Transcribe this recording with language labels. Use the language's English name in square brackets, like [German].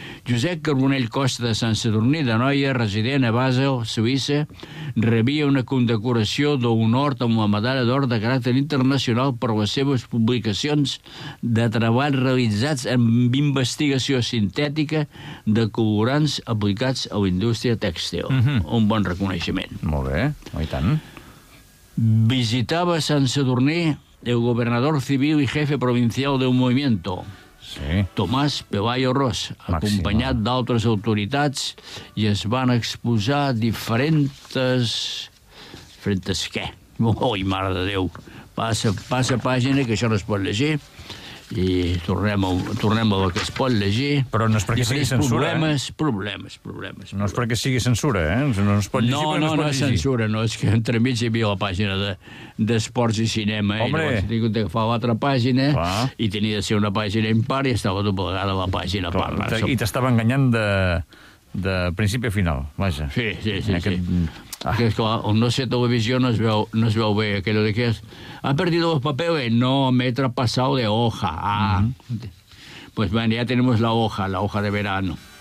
[Catalan] Josep Carbonell Costa de Sant Sadurní d'Anoia, resident a Basel, Suïssa, rebia una condecoració d'honor amb la medalla d'or de caràcter internacional per les seves publicacions de treballs realitzats en investigació sintètica de colorants aplicats a la indústria tèxtil. Mm-hmm. Un bon reconeixement. Molt bé, i tant. Visitava Sant Sadurní el governador civil [Spanish] y jefe provincial de un movimiento, sí, [Catalan] Tomás Pelayo Ros, acompañat d'altres autoritats, i es van exposar diferents què? Oi, mare de Déu, passa pàgina que això no es pot llegir. I tornem a el que es pot llegir. Però no és perquè sigui censura, problemes, eh? Problemes. No és perquè sigui censura, eh? No es pot llegir, No és censura, no. És que entre mig hi havia la pàgina d'esports i cinema. Hombre. I llavors he tingut d'agafar l'altra pàgina. Clar. I tenia de ser una pàgina impar i estava doblegada la pàgina. Clar. Part. I t'estava enganyant de principi a final, vaja. Sí. Que és clar, on no sé televisió no es veu bé, [Spanish] aquello de que [Catalan] és... [Spanish] ¿Ha perdido los papeles? No, me he traspasado de hoja. Ah. Mm-hmm. Pues bueno, ya tenemos la hoja de verano.